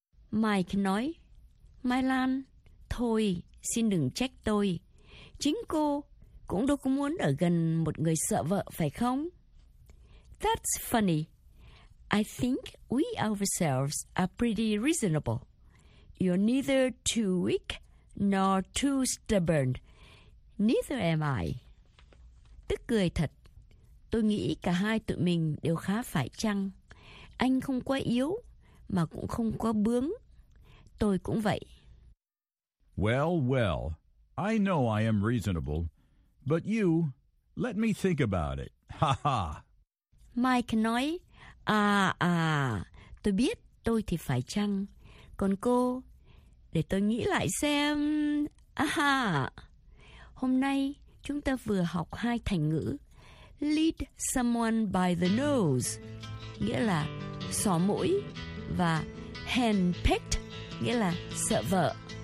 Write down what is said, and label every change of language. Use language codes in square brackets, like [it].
[vi] Mike nói, Milan, thôi, xin đừng trách tôi. Chính cô cũng đâu có muốn ở gần một người sợ vợ, phải không? [en] That's funny. I think we ourselves are pretty reasonable. You're neither too weak nor too stubborn. Neither am I. [vi] Tức cười thật. Tôi nghĩ cả hai tụi mình đều khá phải chăng. Anh không quá yếu, mà cũng không quá bướng. Tôi cũng vậy. [en] Well, well, I know I am reasonable. But you, let me think about it. Ha ha. [vi] Mike nói, à à, tôi biết tôi thì phải chăng. Còn cô, để tôi nghĩ lại xem. Aha. Hôm nay, chúng ta vừa học hai thành ngữ. [en] Lead someone by the nose, [vi] nghĩa là xỏ mũi, và henpecked, nghĩa là sợ vợ.